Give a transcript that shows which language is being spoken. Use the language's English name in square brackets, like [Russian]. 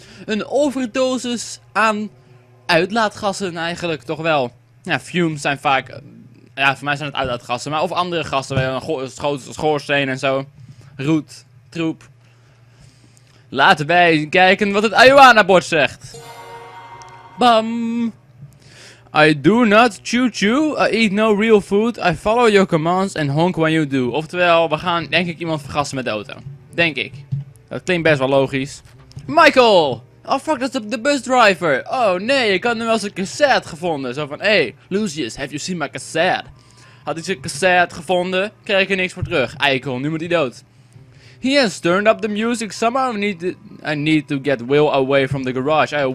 [Dutch] Een overdosis aan uitlaatgassen eigenlijk, toch wel. Ja, fumes zijn vaak... Ja, voor mij zijn het uitlaatgassen. Maar of andere gassen, schoorsteen en zo. Roet, troep. Laten wij kijken wat het ayahuana-bord zegt. Bam! [English] I do not choo-choo, I eat no real food, I follow your commands and honk when you do. [Dutch] Oftewel, we gaan denk ik iemand vergassen met de auto. Denk ik. Dat klinkt best wel logisch. Michael! Oh fuck, dat is de busdriver. Oh nee, ik had nu wel zijn cassette gevonden. Zo van, [English] hey, Lucius, have you seen my cassette? [Dutch] Had ik zijn cassette gevonden, krijg ik er niks voor terug. Eikel, nu moet hij dood. [English] He has turned up the music, somehow I need to get Will away from the garage.